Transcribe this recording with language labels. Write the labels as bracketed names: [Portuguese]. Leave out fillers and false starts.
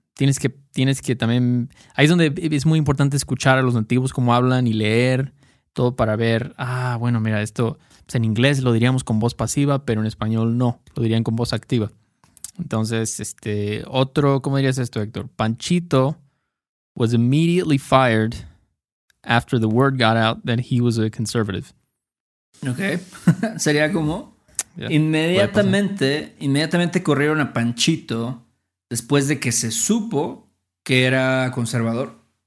[Spanish] tienes que también, ahí es donde es muy importante escuchar a los nativos cómo hablan y leer todo para ver, bueno, mira, esto pues en inglés lo diríamos con voz pasiva, pero en español no, lo dirían con voz activa. Entonces, otro, ¿cómo dirías esto, Héctor? [English] Panchito was immediately fired after the word got out that he was a conservative. Okay. [Spanish] Sería como inmediatamente corrieron a Panchito después de que se supo que era conservador.